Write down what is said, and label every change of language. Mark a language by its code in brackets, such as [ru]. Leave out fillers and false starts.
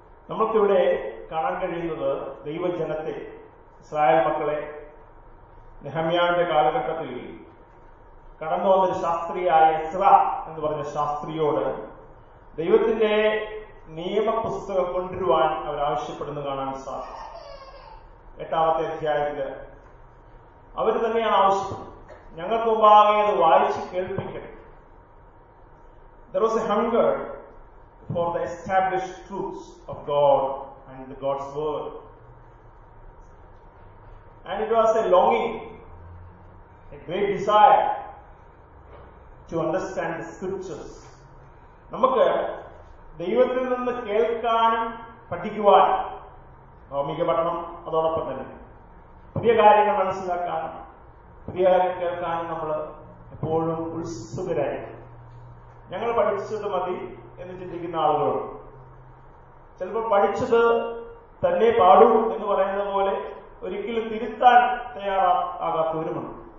[ml] നമുക്കിവിടെ കാണാൻ കഴിയുന്നത് ദൈവജനത്തെ, ഇസ്രായേൽ മക്കളെ നെഹമ്യാവിന്റെ കാലഘട്ടത്തിൽ കടന്നു വന്ന ഒരു ശാസ്ത്രിയായ എസ്ര എന്ന് പറഞ്ഞ ശാസ്ത്രിയോട് ദൈവത്തിന്റെ നിയമപുസ്തകം കൊണ്ടുവരുവാൻ അവരാവശ്യപ്പെടുന്നു കാണാൻ സാധിക്കും. 8-ാമത്തെ അധ്യായത്തില് അവർ തന്നെയാണ് ആവശ്യം, ഞങ്ങൾക്ക് മുമ്പാകെ അത് വായിച്ച് കേൾപ്പിക്കണം. [en] There was a hunger for the established truths of God and God's word. And it was a longing, a great desire to understand the scriptures. [ml] നമുക്ക് ദൈവത്തിൽ നിന്ന് കേൾക്കാനും പഠിക്കുവാനും ഭൗമിക പഠനം അതോടൊപ്പം തന്നെ പുതിയ കാര്യങ്ങൾ മനസ്സിലാക്കാനും പുതിയ കാര്യം കേൾക്കാനും നമ്മൾ എപ്പോഴും ഉത്സുകരായിരിക്കും. ഞങ്ങൾ പഠിച്ചത് മതി എന്ന് ചിന്തിക്കുന്ന ആളുകളുണ്ട്. ചിലപ്പോൾ പഠിച്ചത് തന്നെ പാടൂ എന്ന് പറയുന്നത് പോലെ ഒരിക്കലും തിരുത്താൻ തയ്യാറാകാത്തവരുമുണ്ട്.